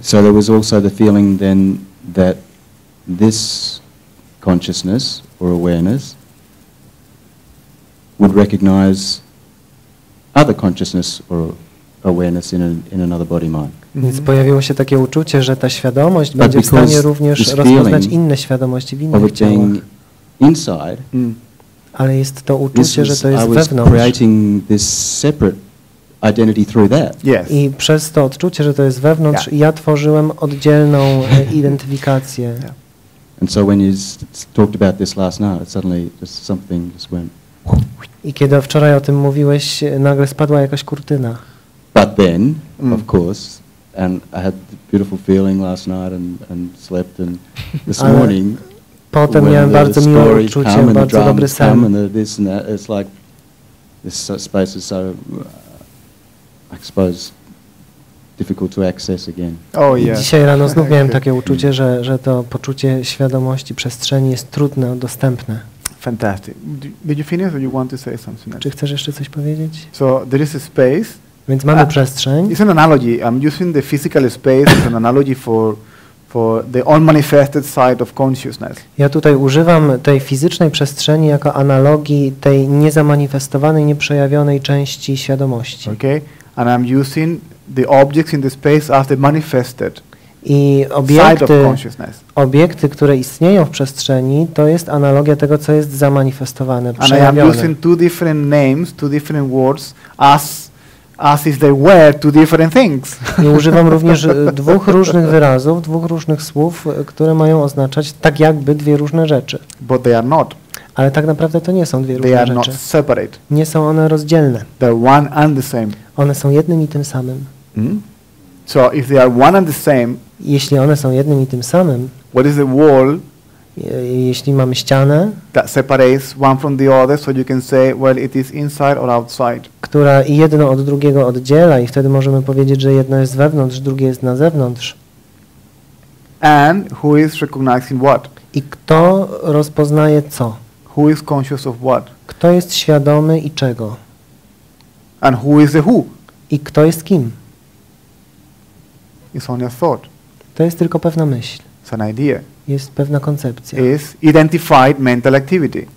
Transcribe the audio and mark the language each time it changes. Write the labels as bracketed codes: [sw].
[en] So there was also the feeling then that this consciousness or awareness would recognize other consciousness or awareness in another body mind. [pl] Więc pojawiło się takie uczucie, że ta świadomość będzie w stanie również rozpoznać inne świadomości w innych ciałach. [en] Inside, [pl] ale jest to uczucie, że to jest wewnątrz. [en] I was creating this separate identity through that. Yes. [pl] I przez to odczucie, że to jest wewnątrz, ja tworzyłem oddzielną identyfikację. [en] Yeah. And so when you talked about this last night, suddenly just something just went. [pl] I kiedy wczoraj o tym mówiłeś, nagle spadła jakaś kurtyna. [en] But then, of course, and I had the beautiful feeling last night and slept and this morning. [pl] Potem miałem bardzo miłe uczucie, bardzo dobry sen. [en] And this and that, it's like this space is so I suppose difficult to access again. Oh yeah. [pl] Dzisiaj rano znów miałem takie uczucie, że to poczucie świadomości przestrzeni jest trudne, dostępne. [en] Fantastic. Did you finish or you want to say something else? [pl] Czy chcesz jeszcze coś powiedzieć? [en] So there is a space. [pl] Więc mamy przestrzeń. [en] It's an analogy. I'm using the physical space as an analogy for the unmanifested side of consciousness. [pl] Ja tutaj używam tej fizycznej przestrzeni jako analogii tej niezamanifestowanej, nieprzejawionej części świadomości. [en] Okay. And I'm using the objects in the space as the manifested side of consciousness. [pl] Obiekty, które istnieją w przestrzeni, to jest analogia tego, co jest zamanifestowane, przejawione. [en] And I'm using two different names, two different words as as if they were two different things. [pl] I używam również dwóch różnych wyrazów, dwóch różnych słów, które mają oznaczać tak jakby dwie różne rzeczy. [en] But they are not. [pl] Ale tak naprawdę to nie są dwie [en] they [pl] różne [en] are [pl] rzeczy. [en] Not separate. [pl] Nie są one rozdzielne. [en] They're one and the same. [pl] One są jednym i tym samym. Mm? [en] So if they are one and the same, [pl] jeśli one są jednym i tym samym, [en] what is the wall? [pl] Jeśli mamy ścianę, [en] that separates one from the other, so you can say, well, it is inside or outside. [pl] Która jedno od drugiego oddziela, i wtedy możemy powiedzieć, że jedno jest wewnątrz, drugie jest na zewnątrz. [en] And who is recognizing what? [pl] I kto rozpoznaje co? [en] Who is conscious of what? [pl] Kto jest świadomy i czego? [en] And who is the who? [pl] I kto jest kim? [en] It's only a thought. [pl] To jest tylko pewna myśl. [en] It's an idea. [pl] Jest pewna koncepcja. [en] Is identified mental activity.